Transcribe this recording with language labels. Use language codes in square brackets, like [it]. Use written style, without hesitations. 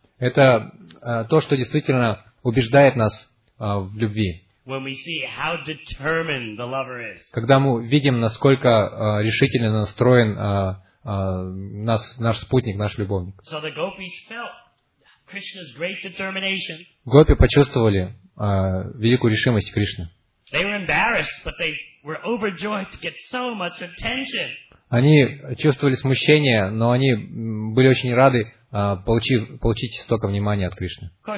[ru] Это то, что действительно убеждает нас в любви. [en] When we see how determined the lover is. [ru] Когда мы видим, насколько решительно настроен наш спутник, наш любовник. [en] So the gopis felt Krishna's great determination. [ru] Гопи почувствовали великую решимость Кришны. [en] They were embarrassed, but they were overjoyed to get so much attention. [ru] Они чувствовали смущение, но они были очень рады получить столько внимания от Кришны.